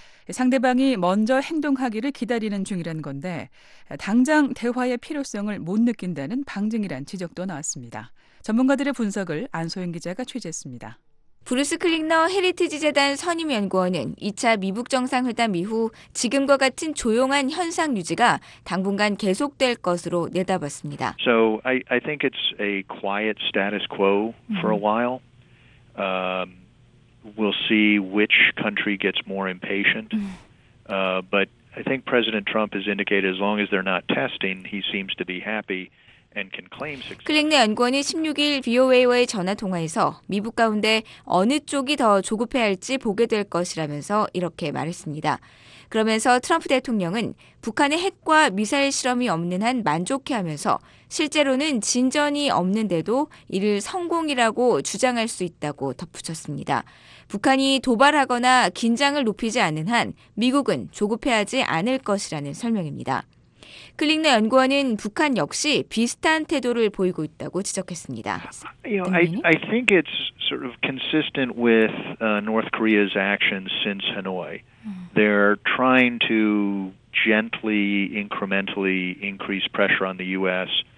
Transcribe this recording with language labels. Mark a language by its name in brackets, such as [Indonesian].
[Korean] 상대방이 먼저 행동하기를 기다리는 중이라는 건데 당장 대화의 필요성을 못 느낀다는 방증이란 지적도 나왔습니다. 전문가들의 분석을 안소영 기자가 취재했습니다. 브루스 클릭너 헤리티지 재단 선임연구원은 2차 미북 정상회담 이후 지금과 같은 조용한 현상 유지가 당분간 계속될 것으로 내다봤습니다. [English] So I think it's a quiet status quo for a while. We'll see which country gets more impatient. But I think President Trump has indicated as long as they're not testing, he seems to be happy. [Korean] 클릭네 연구원이 16일 VOA와의 전화통화에서 미북 가운데 어느 쪽이 더 조급해 할지 보게 될 것이라면서 이렇게 말했습니다. 그러면서 트럼프 대통령은 북한의 핵과 미사일 실험이 없는 한 만족해하면서 실제로는 진전이 없는데도 이를 성공이라고 주장할 수 있다고 덧붙였습니다. 북한이 도발하거나 긴장을 높이지 않는 한 미국은 조급해하지 않을 것이라는 설명입니다. 클릭너 연구원은 북한 역시 비슷한 태도를 보이고 있다고 지적했습니다. [English] You know, I think it's sort of consistent with North Korea's actions since Hanoi. They're trying to gently, incrementally increase pressure on the U.S.